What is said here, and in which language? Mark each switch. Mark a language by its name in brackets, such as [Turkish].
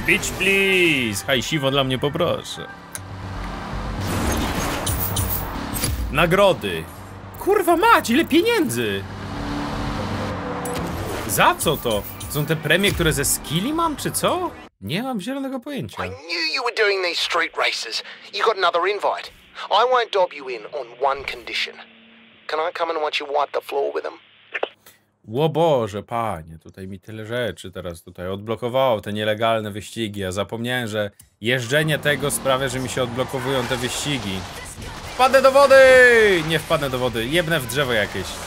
[English] Bitch please! [Polish] Hajsiwo dla mnie poproszę. Nagrody. Kurwa mać, ile pieniędzy! Za co to? Są te premie, które ze skilli mam, czy co? Nie mam zielonego pojęcia. [English] I knew you were doing these street races. You got another invite. I won't dob you in on one condition. Can I come and watch you wipe the floor with them? [Polish] Ło Boże, panie, tutaj mi tyle rzeczy teraz tutaj odblokowało, te nielegalne wyścigi. Ja zapomniałem, że jeżdżenie tego sprawia, że mi się odblokowują te wyścigi. Wpadnę do wody! Nie wpadnę do wody, jebnę w drzewo jakieś.